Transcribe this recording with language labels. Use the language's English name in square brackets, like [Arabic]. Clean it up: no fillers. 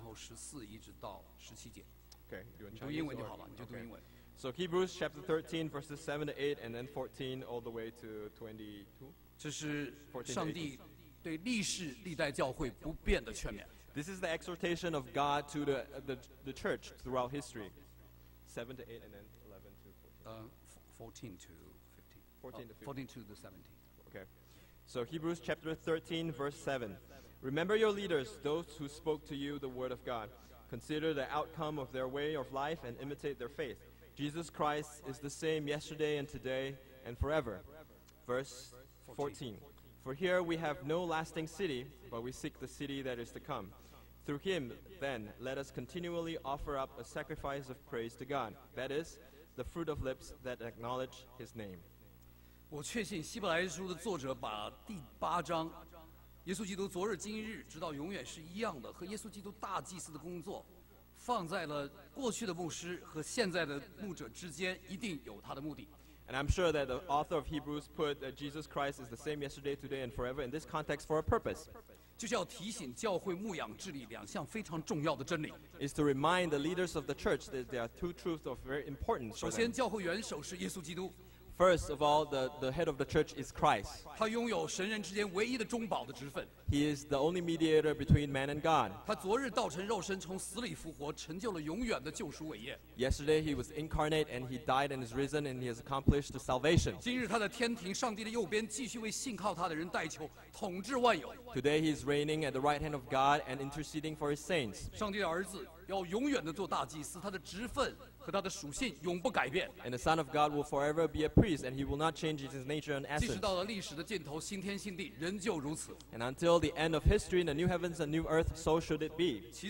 [Chinese] 请听那个韩牧师来读十三章的七到十一节，中间跳过，从第八节完了以后跳过到十四节，就只念这个七到八节，然后十四一直到十七节。 [English] Okay, [Chinese] 你读英文就好了，你就读英文。 [English] So Hebrews chapter 13 verses 7 to 8 and then 14 all the way to 22. [Chinese] 这是上帝对历世历代教会不变的劝勉。 [English] This is the exhortation of God to the church throughout history. 7 to 8 and then 11 to 14. 14 to 15. 14 to 15. 14 to the 17. Okay. So Hebrews chapter 13 verse 7. Remember your leaders, those who spoke to you the word of God. Consider the outcome of their way of life and imitate their faith. Jesus Christ is the same yesterday and today and forever. Verse 14. For here we have no lasting city, but we seek the city that is to come. Through him, then, let us continually offer up a sacrifice of praise to God, that is, the fruit of lips that acknowledge his name. [Chinese] 我确信希伯来书的作者把第八章，耶稣基督昨日今日直到永远是一样的，和耶稣基督大祭司的工作，放在了过去的牧师和现在的牧者之间，一定有他的目的。 [English] And I'm sure that the author of Hebrews put that Jesus Christ is the same yesterday, today, and forever in this context for a purpose. [Chinese] 就是要提醒教会牧养治理两项非常重要的真理。 [English] Is to remind the leaders of the church that there are two truths of very importance. [Chinese] 首先，教会元首是耶稣基督。 [English] First of all, the head of the church is Christ. [Chinese] 他拥有神人之间唯一的中保的职分。 [English] He is the only mediator between man and God. [Chinese] 他昨日道成肉身，从死里复活，成就了永远的救赎伟业。 [English] Yesterday he was incarnate and he died and is risen and he has accomplished the salvation. [Chinese] 今日他的天庭，上帝的右边，继续为信靠他的人代求，统治万有。 [English] Today he is reigning at the right hand of God and interceding for his saints. [Chinese] 上帝的儿子要永远的做大祭司，他的职分。 [English] And the Son of God will forever be a priest, and he will not change his nature and essence. [Chinese] 即使到了历史的尽头，新天新地，仍旧如此。 [English] And until the end of history, in the new heavens and new earth, so should it be.